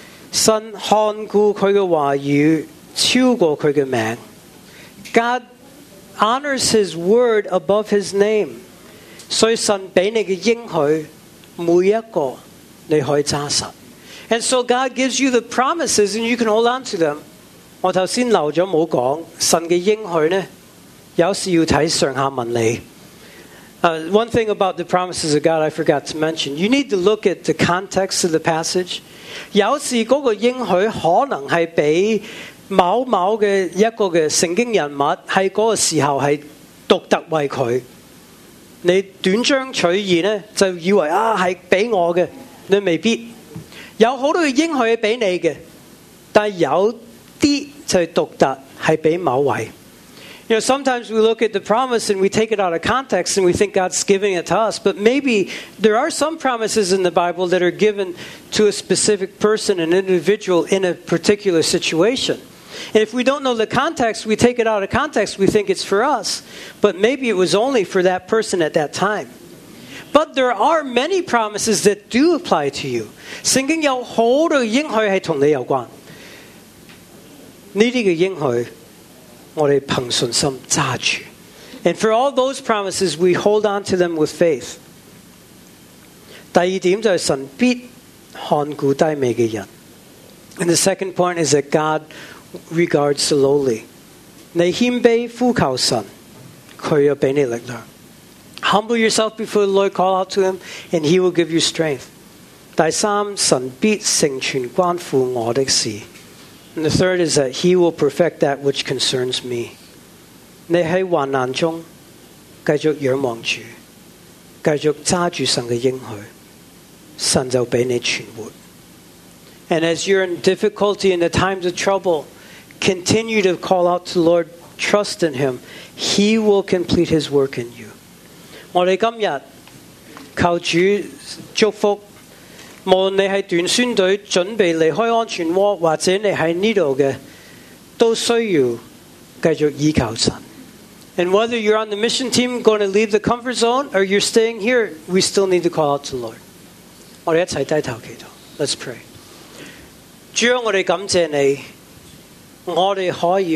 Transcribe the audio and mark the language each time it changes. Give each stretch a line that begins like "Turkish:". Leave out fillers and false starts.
Chinese: 神看顾他的话语超过他的名。
English: God honors his word above his name.
Chinese: 所以神给你的应许每一个你可以揸实。
English: And so God gives you the promises and you can hold on to them.
Chinese: 我刚才漏了没说，神的应许呢，有时要看上下文理。
English: One thing about the promises of God I forgot to mention. You need to look at the context of the passage.
Chinese: 有时那个应许可能是被某某的一个的圣经人物在那个时候是独特为他。你短章取义呢，就以为啊是给我的，你未必有很多的应许是给你的，但有些就是独特是给某位。
English: You know, sometimes we look at the promise and we take it out of context and we think God's giving it to us. But maybe there are some promises in the Bible that are given to a specific person, an individual in a particular situation. And if we don't know the context, we take it out of context, we think it's for us. But maybe it was only for that person at that time. But there are many promises that do apply to you.
Chinese: 圣经有好多应许是同你有关。这些的应许我们凭信心揸住。
English: And for all those promises, we hold on to them with faith.
Chinese: 第二点就是神必看顾低微的人。
English: And the second point is that God regards the lowly.
Chinese: 你谦卑呼求神，他要给你力量。
English: Humble yourself before the Lord, call out to him, and he will give you strength.
Chinese: 第三，神必成全关乎我的事。
English: And the third is that he will perfect that which concerns me.
Chinese: 你在患难中继续仰望主，继续揸住神的应许，神就给你存活。
English: And as you're in difficulty in the times of trouble, continue to call out to the Lord, trust in him. He will complete his work in you.
Chinese: 我们今天求主祝福，无论你是短宣队准备离开安全窝，或者你在这里的，都需要继续依靠神。
English: And whether you're on the mission team going to leave the comfort zone or you're staying here, we still need to call out to the Lord.
Chinese: 我们一起低头祈祷。
English: Let's pray.
Chinese: 主，我们感谢你，我们可以